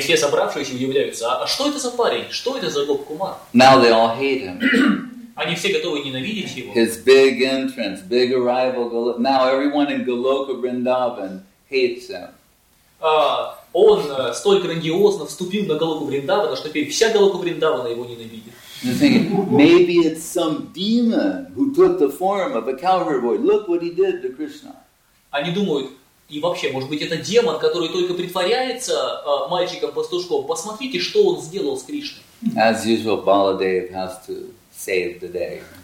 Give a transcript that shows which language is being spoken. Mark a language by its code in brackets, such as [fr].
[ru] все собравшиеся удивляются, а что это за парень? Что это за Гопа-Кумар? [en] Now they all hate him. [ru] Они все готовы ненавидеть его. [en] His big entrance, big arrival. Now everyone in Goloka Vrindavan hates him. [ru] Он столь грандиозно вступил на Голоку Вриндавана, что теперь вся Голока Вриндавана его ненавидит. [en] Maybe it's some demon who took the form of a cowherd boy. Look what he did to Krishna. [ru] Они думают, и вообще, может быть, это демон, который только притворяется мальчиком-пастушком. Посмотрите, что он сделал с Кришной. [en] As usual, Baladev has to save the day.